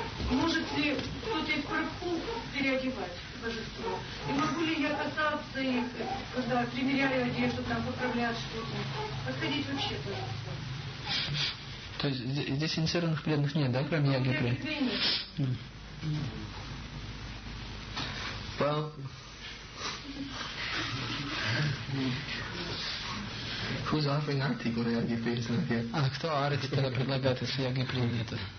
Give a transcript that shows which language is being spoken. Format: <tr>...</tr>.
<ru>Может ли кто-то из Прабху переодевать божество? И могу ли я касаться их, когда примеряю одежду, там поправлять что-то? Подходить вообще, пожалуйста. То есть здесь инициированных преданных нет, да, кроме Ягипри?</ru> <en>Well, who's offering arti,</en> <ru>когда</ru> <en>Ягипри is not here?</en> <ru>А кто арти тогда предлагает, если Ягипри нет?</ru>